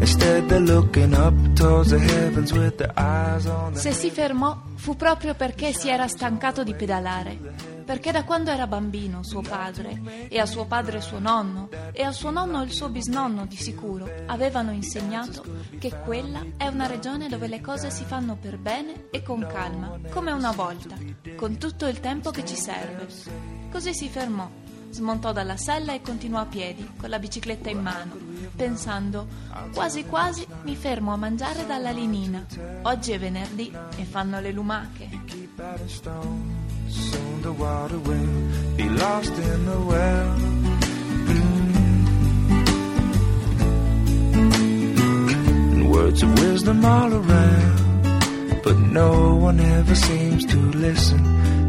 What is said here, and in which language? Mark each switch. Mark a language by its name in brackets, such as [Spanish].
[English] Instead they're looking up towards the heavens with their eyes on the... [Italian] Se si fermò, fu proprio perché si era stancato di pedalare. Perché da quando era bambino suo padre, e a suo padre suo nonno, e a suo nonno il suo bisnonno di sicuro, avevano insegnato che quella è una regione dove le cose si fanno per bene e con calma, come una volta, con tutto il tempo che ci serve. Così si fermò, smontò dalla sella e continuò a piedi, con la bicicletta in mano, pensando, quasi quasi mi fermo a mangiare dalla linina, oggi è venerdì e fanno le lumache. [English] Soon the water will be lost in the well. And words of wisdom all around, but no one ever seems to listen.